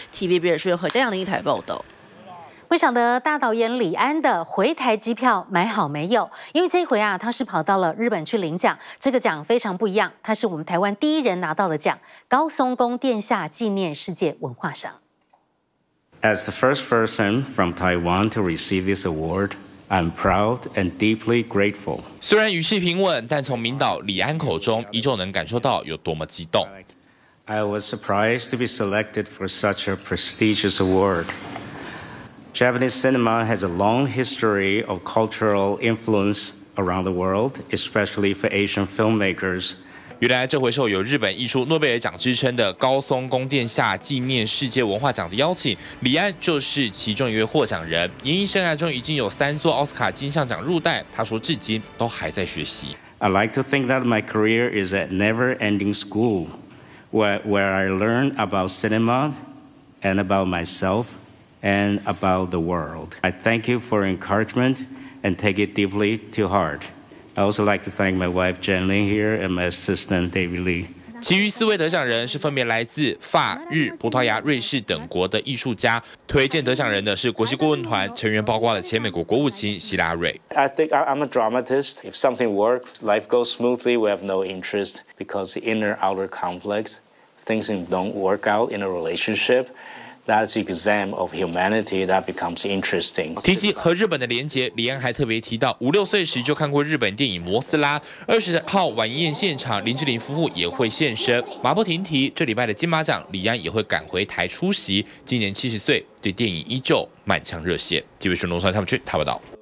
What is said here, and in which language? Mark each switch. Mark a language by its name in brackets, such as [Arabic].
[Chinese] TVB 人士和江阳林一台报道。不晓得大导演李安的回台机票买好没有？因为这回啊，他是跑到了日本去领奖，这个奖非常不一样，他是我们台湾第一人拿到的奖，高松宫殿下纪念世界文化赏。 [English] As the first person from Taiwan to receive this awardI'm proud and deeply grateful. [Chinese] 虽然语气平稳，但从明导李安口中依旧能感受到有多么激动。 [English] I was surprised to be selected for such a prestigious award. Japanese cinema has a long history of cultural influence around the world, especially for Asian filmmakers. [Chinese] 原来这回是有日本艺术诺贝尔奖之称的高松宫殿下纪念世界文化奖的邀请，李安就是其中一位获奖人。演艺生涯中已经有3座奥斯卡金像奖入袋，他说至今都还在学习。 [English] I like to think that my career is a never-ending school, where I learn about cinema, and about myself, and about the world. I thank you for encouragement and take it deeply to heart. I also like to thank my wife Jen Lin here and my assistant David Lee。 [Chinese] 其余四位得奖人是分别来自法、日、葡萄牙、瑞士等国的艺术家。推荐得奖人的是国际顾问团成员，包括了前美国国务卿希拉瑞。 [English] I think I'm a dramatist. If something works, life goes smoothly. We have no interest because inner outer conflicts. Things don't work out in a relationship. That's an exam of humanity that becomes interesting. [Chinese] 提及和日本的连结，李安还特别提到，五六岁时就看过日本电影《摩斯拉》。二十号晚宴现场，林志玲夫妇也会现身。马不停蹄，这礼拜的金马奖，李安也会赶回台出席。今年七十岁，对电影依旧满腔热血。记者龙川他们去台北岛。